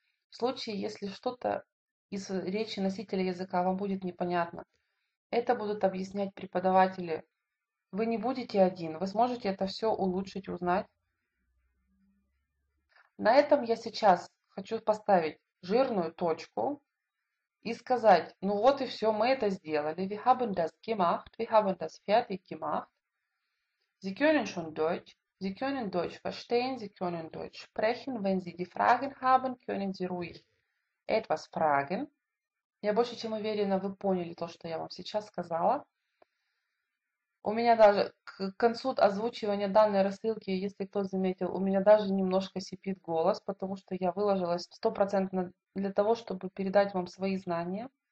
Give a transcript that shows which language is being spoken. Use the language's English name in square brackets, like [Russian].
[Russian] В случае, если что-то из речи носителя языка вам будет непонятно, это будут объяснять преподаватели. Вы не будете один, вы сможете это все улучшить, узнать. На этом я сейчас хочу поставить жирную точку и сказать, ну вот и все, мы это сделали. [German] Wir haben das gemacht, wir haben das fertig gemacht. Sie können schon Deutsch, Sie können Deutsch verstehen, Sie können Deutsch sprechen. Wenn Sie die Fragen haben, können Sie ruhig etwas fragen. [Russian] Я больше чем уверена, вы поняли то, что я вам сейчас сказала. У меня даже к концу озвучивания данной рассылки, если кто заметил, у меня даже немножко сипит голос, потому что я выложилась 100% для того, чтобы передать вам свои знания.